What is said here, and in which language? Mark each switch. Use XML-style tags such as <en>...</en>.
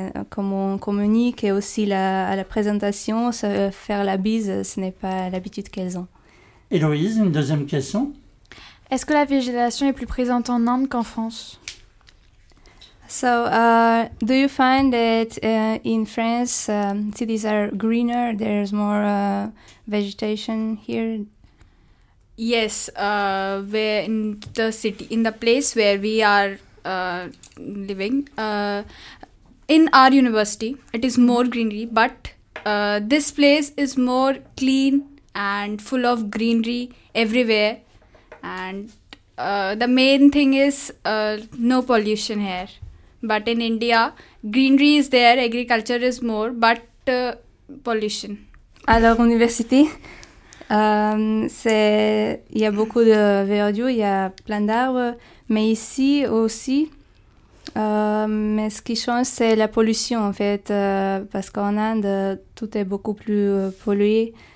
<fr>Comment on communique et aussi à la présentation, faire la bise, ce n'est pas l'habitude qu'elles ont. Héloïse, une deuxième question. Est-ce que la végétation est plus présente en Inde qu'en France?</fr> <en>So, do you find that in France cities are greener, there's more vegetation here? Yes, where in the city, in the place where we are living, in our university, it is more greenery, but this place is more clean and full of greenery everywhere, and the main thing is no pollution here. But in India, greenery is there, agriculture is more, but pollution.</en> <fr>À leur université, il y a beaucoup de verdure, il y a plein d'arbres. Mais ici aussi, mais ce qui change, c'est la pollution, en fait. Parce qu'en Inde, tout est beaucoup plus pollué.</fr>